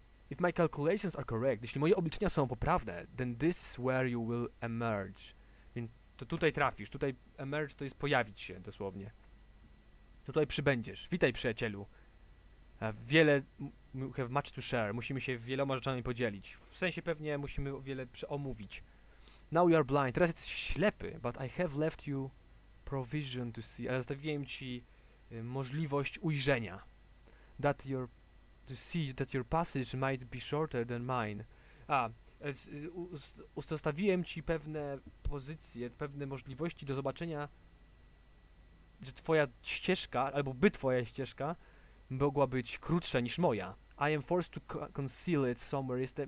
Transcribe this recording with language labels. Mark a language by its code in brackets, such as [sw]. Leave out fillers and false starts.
[en] If my calculations are correct, [pl] jeśli moje obliczenia są poprawne, [en] then this is where you will emerge. [pl] Więc to tutaj trafisz, tutaj emerge to jest pojawić się dosłownie. Tutaj przybędziesz. Witaj, przyjacielu. Wiele... [en] we have much to share. [pl] Musimy się wieloma rzeczami podzielić. W sensie pewnie musimy wiele omówić. [en] Now you are blind. [pl] Teraz jesteś ślepy. [en] But I have left you provision to see. [pl] Ale zostawiłem ci możliwość ujrzenia. [en] That your... to see that your passage might be shorter than mine. [pl] A, zostawiłem ci pewne pozycje, pewne możliwości do zobaczenia, że twoja ścieżka, albo by twoja ścieżka mogła być krótsza niż moja. [en] I am forced to conceal it somewhere.